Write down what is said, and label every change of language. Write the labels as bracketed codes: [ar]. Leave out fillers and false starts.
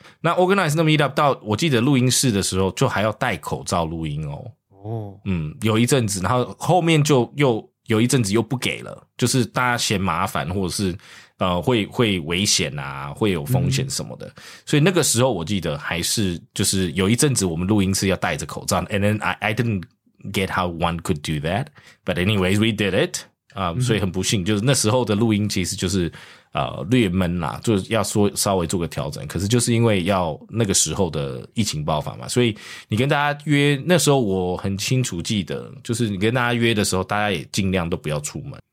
[zh] 那 organize 那个 meetup 到我记得录音室的时候就还要戴口罩录音哦。 Oh. 嗯，有一阵子，然后后面就又有一阵子又不给了，就是大家嫌麻烦，或者是会危险啊，会有风险什么的。所以那个时候我记得还是就是有一阵子我们录音室要戴着口罩。 [en] And then I didn't get how one could do that, but anyways we did it。 [zh] 所以很不幸，就是那时候的录音其实就是略闷啦，就要说稍微做个调整。可是就是因为要那个时候的疫情爆发嘛，所以你跟大家约那时候我很清楚记得，就是你跟大家约的时候，大家也尽量都不要出门。